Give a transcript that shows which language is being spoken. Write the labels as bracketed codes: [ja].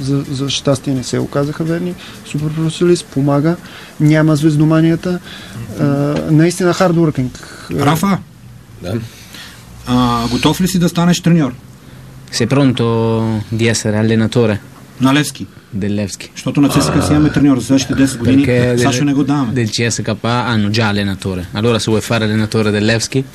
[bg] За щастие не се оказаха верни. Супер професионалист, помага. Няма звездоманията. Наистина хард уркинг. Рафа? Да. Готов ли си да станеш треньор? [it] Sei pronto di essere allenatore? [bg] На Левски. [it] Del Левски. [bg] Защото на ЦСКА си имаме треньор за следващите 10 години. Сашо не го даваме. [it] Del CSKA hanno già allenatore. Allora se vuoi fare allenatore del Левски?